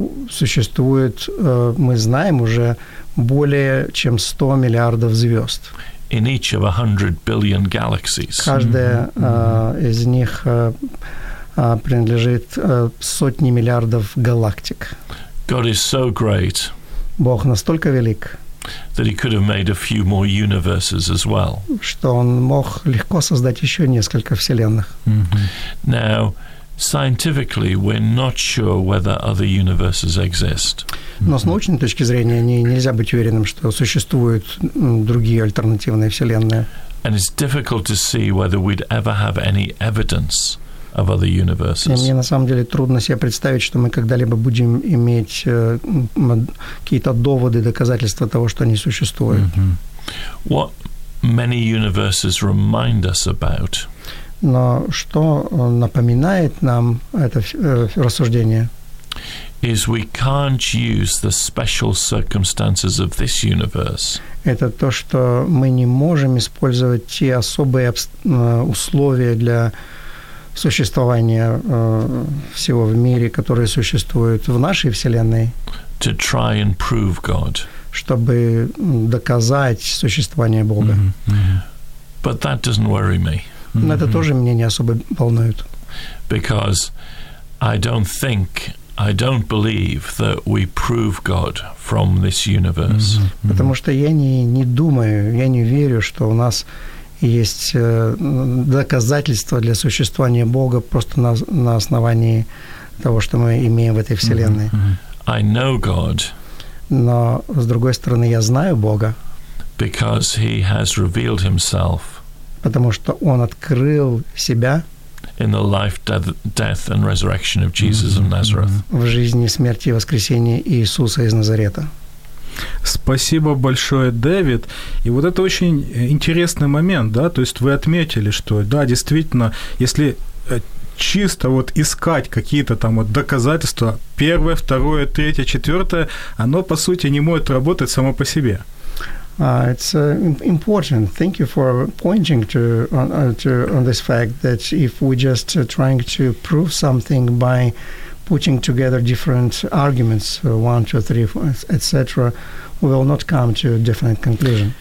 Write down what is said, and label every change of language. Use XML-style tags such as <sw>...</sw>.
<ru>Существует, мы знаем уже, более чем 100 миллиардов звезд.</ru> <en>In each of 100 billion galaxies.</en> <ru>Каждая из них принадлежит сотне миллиардов галактик.</ru> <en>God is so great.</en> <ru>Бог настолько велик.</ru> <en>That he could have made a few more universes as well.</en> <ru>Что он мог легко создать еще несколько вселенных. Mm-hmm.</ru> <en>Now, scientifically, we're not sure whether other universes exist.</en> <ru>Но с научной точки зрения нельзя быть уверенным, что существуют другие альтернативные вселенные.</ru> <en>And it's difficult to see whether we'd ever have any evidence of other universes.</en> <ru>И мне на самом деле трудно себе представить, что мы когда-либо будем иметь какие-то доводы, доказательства того, что они существуют.</ru> <en>Mm-hmm. What many universes remind us about?</en> <ru>Но что напоминает нам это рассуждение?</ru> <en>Is we can't use the special circumstances of this universe.</en> <ru>Это то, что мы не можем использовать те особые условия для существования всего в мире, которые существуют в нашей Вселенной.</ru> <en>To try and prove God.</en> <ru>Чтобы доказать существование Бога.</ru> <en>Mm-hmm. Mm-hmm. But that doesn't worry me.</en> <ru>Но mm-hmm. это тоже меня не особо волнует.</ru> <en>Because I don't think, I don't believe that we prove God from this universe. Mm-hmm. Mm-hmm.</en> <ru>Потому что я не думаю, я не верю, что у нас есть доказательства для существования Бога просто на основании того, что мы имеем в этой вселенной.</ru> <en>Mm-hmm. I know God.</en> <ru>Но с другой стороны, я знаю Бога.</ru> <en>Because he has revealed himself.</en> <ru>Потому что он открыл себя</ru> <en>in the life, death, and resurrection of Jesus of Nazareth.</en> <ru>В жизни, смерти и воскресении Иисуса из Назарета. Спасибо большое, Дэвид. И вот это очень интересный момент, да? То есть вы отметили, что да, действительно, если чисто вот искать какие-то там вот доказательства, первое, второе, третье, четвертое, оно, по сути, не может работать само по себе.</ru> <en>It's important. Thank you for pointing on this fact that if we just trying to prove something by putting together different arguments, one, two, three, four, etc., we will not come to a definite conclusion.</en>